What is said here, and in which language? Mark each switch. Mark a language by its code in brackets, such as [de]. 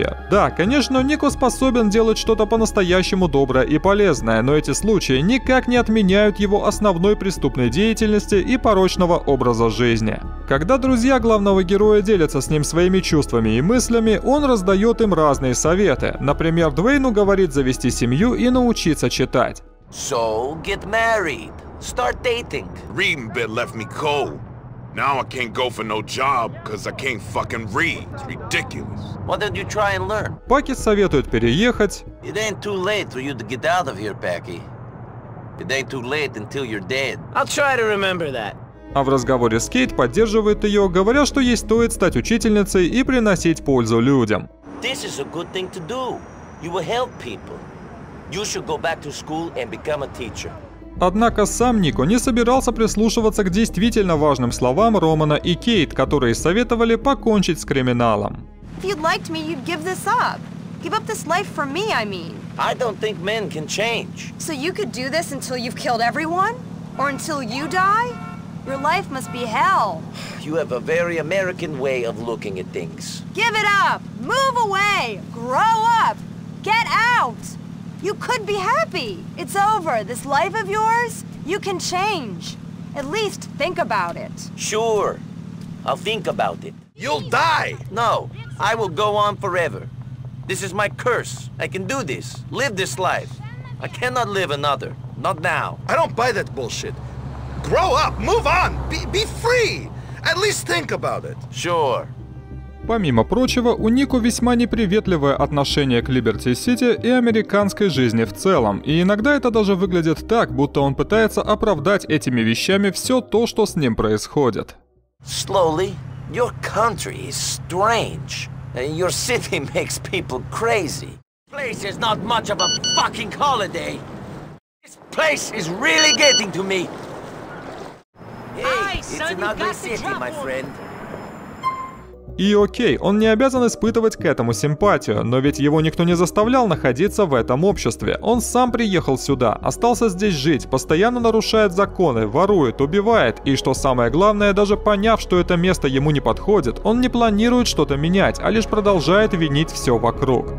[ru] Да, конечно, Нико способен делать что-то по-настоящему доброе и полезное, но эти случаи никак не отменяют его основной преступной деятельности и порочного образа жизни. Когда друзья главного героя делятся с ним своими чувствами и мыслями, он раздает им разные советы. Например, Дуэйну говорит завести семью и научиться читать. [en] So, get married. Start dating. Reading bit left me cold. Now I can't go for no job, cause I can't fucking read. It's ridiculous. Why don't you try and learn? [ru] Паки советует переехать. [en] It ain't too late for you to get out of here, Paki. It ain't too late until you're dead. I'll try to remember that. [ru] А в разговоре с Кейт поддерживает ее, говоря, что ей стоит стать учительницей и приносить пользу людям. [en] This is a good thing to do. You will help people. You should go back to school and become a teacher. [ru] Однако сам Нико не собирался прислушиваться к действительно важным словам Романа и Кейт, которые советовали покончить с криминалом. [en] If you liked me, you'd give this up. Give up this life for me, I mean. I don't think men can change. So you could do this until you've killed everyone? Or until you die? Your life must be hell. You have a very American way of looking at things. Give it up! Move away! Grow up! Get out! You could be happy! It's over! This life of yours, you can change! At least think about it! Sure! I'll think about it! You'll die! No! I will go on forever! This is my curse! I can do this! Live this life! I cannot live another! Not now! I don't buy that bullshit! Grow up! Move on! Be free! At least think about it! Sure! [ru] Помимо прочего, у Нико весьма неприветливое отношение к Liberty City и американской жизни в целом, и иногда это даже выглядит так, будто он пытается оправдать этими вещами все то, что с ним происходит. [en] Slowly, your country is strange, and your city makes people crazy. This place is not much of a fucking holiday. This place is really getting to me. Hey, it's an ugly city, my friend. [ru] И окей, он не обязан испытывать к этому симпатию, но ведь его никто не заставлял находиться в этом обществе. Он сам приехал сюда, остался здесь жить, постоянно нарушает законы, ворует, убивает, и что самое главное, даже поняв, что это место ему не подходит, он не планирует что-то менять, а лишь продолжает винить все вокруг.